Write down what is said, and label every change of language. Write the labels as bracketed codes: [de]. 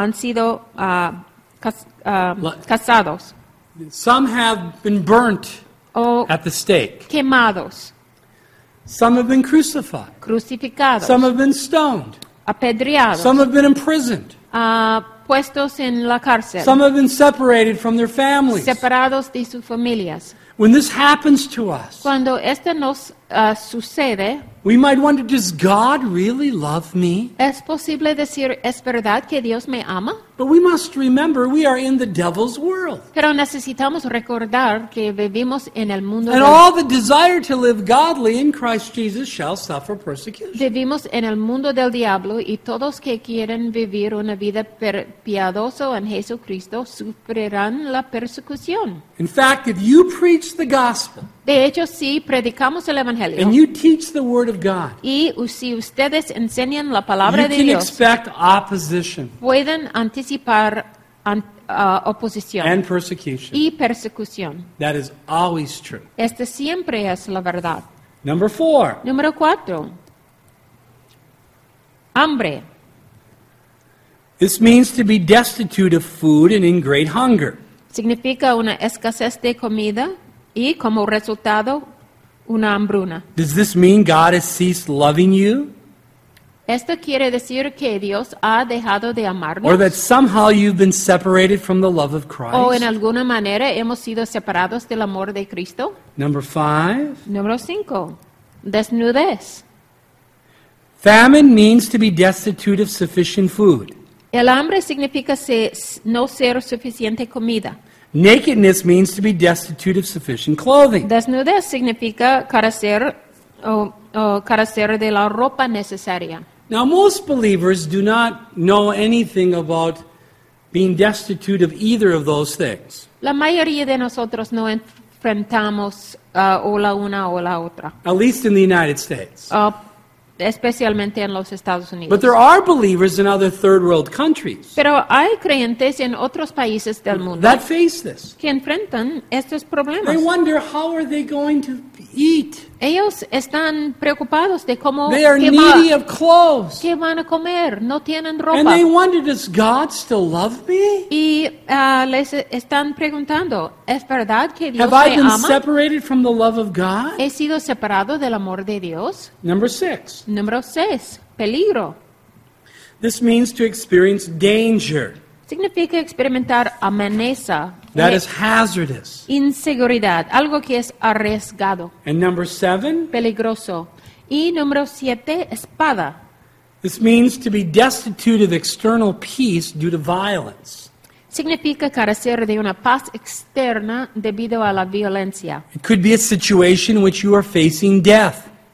[es] Inclusive han sido cazados. [en] Some have been burnt. At the stake. [es] Quemados. [en] Some have been crucified. [es] Crucificados. [en] Some have been stoned. [es] Apedreados. [en] Some have been imprisoned. [es] Puestos en la cárcel. [en] Some have been separated from their families. [es] Separados de sus familias. [en] When this happens to us, [es] cuando esto nos sucede, [en] we might wonder, does God really love me? [es] ¿Es posible decir, es verdad que Dios me ama? [en] But we must remember, we are in the devil's world. [es] Pero necesitamos recordar que vivimos en el mundo. [en] And all that desire to live godly in Christ Jesus shall suffer persecution. [es] Vivimos en el mundo del diablo y todos que quieren vivir una vida piadosa en Jesucristo sufrirán la persecución. [en] In fact, if you preach the gospel, [es] de hecho, si predicamos el Evangelio, [en] and you teach the word of God, [es] y si ustedes enseñan la palabra de Dios, [en] you can expect opposition. [es] Pueden anticipar anticipar oposición [en] and persecution. [es] Y persecución. [en] That is always true. [es] Esta siempre es la verdad. [en] Number four. [es] Número cuatro. Hambre. [en] This means to be destitute of food and in great hunger. [es] Significa una escasez de comida y como resultado una hambruna. [en] Does this mean God has ceased loving you? [es] Esto quiere decir que Dios ha dejado de amarnos. [en] Or that somehow you've been separated from the love of Christ. [es] O en alguna manera hemos sido separados del amor de Cristo. [en] Number five. [es] Número cinco. Desnudez. [en] Famine means to be destitute of sufficient food. [es] El hambre significa no ser suficiente comida. [en] Nakedness means to be destitute of sufficient clothing. [es] Desnudez significa carecer o carecer de la ropa necesaria. [en] Now, most believers do not know anything about being destitute of either of those things. [es] La mayoría de nosotros no enfrentamos o la una o la otra. [en] At least in the United States. [es] Especialmente en los Estados Unidos. [en] But there are believers in other third world countries. [es] Pero hay creyentes en otros países del mundo. [en] That face this. [es] Que enfrentan estos problemas. [en] They wonder how are they going to eat. [es] Ellos están preocupados de cómo. [en] They are needy of clothes. [es] ¿Qué van a comer? No tienen ropa. [en] And they wonder, does God still love me? [es] Y les están preguntando, ¿es verdad que Dios me ama? [en] Have I been separated from the love of God? [es] ¿He sido separado del amor de Dios? [en] Number six. [es] Número seis. Peligro. [en] This means to experience danger. [es] Significa experimentar amenaza. [en] That is hazardous. [es] Inseguridad, algo que es arriesgado. [en] And number seven. [es] Peligroso. Y número siete, espada. [en] This means to be destitute of external peace due to violence. [es] Significa carecer de una paz externa debido a la violencia. [en] It could be a situation in which you are facing death.